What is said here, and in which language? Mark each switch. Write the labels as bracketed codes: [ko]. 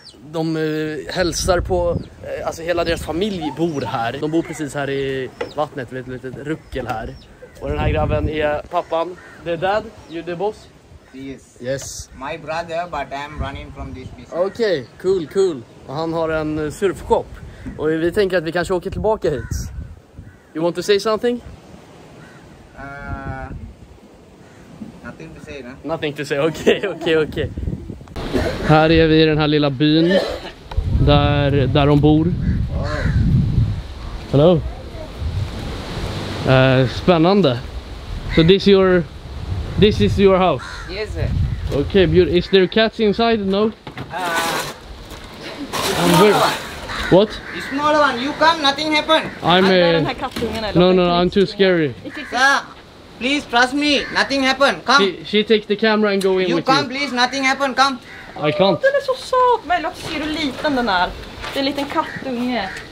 [sv] De hälsar på, alltså hela deras familj bor här. De bor precis här i vattnet, med ett litet ruckel här. Och den här grabben är pappan. [en] The dad, you the boss? Yes. Yes. My brother, but I'm running from this business. [sv] Okej, [en] okay. Cool, cool. [sv] Och han har en surfshop. Och vi tänker att vi kanske åker tillbaka hit. [en] You want to say something? Nothing to say, no? Nothing to say, okej. [sv] Här är vi i den här lilla byn där de bor. [en] Hello. [sv] Spännande. [en] So this is your house. Yes, sir. Okay, beautiful. Is there cats inside? No. I'm good. What? It's small one. You come, nothing happen. I'm a No, I'm too scary. Please trust me. Nothing happen. Come. She takes the camera and go in you with come, you. You come, please. Nothing happen. Come. I can't. [sv] Den är så söt, men låt se hur liten den är. Det är en liten kattunge.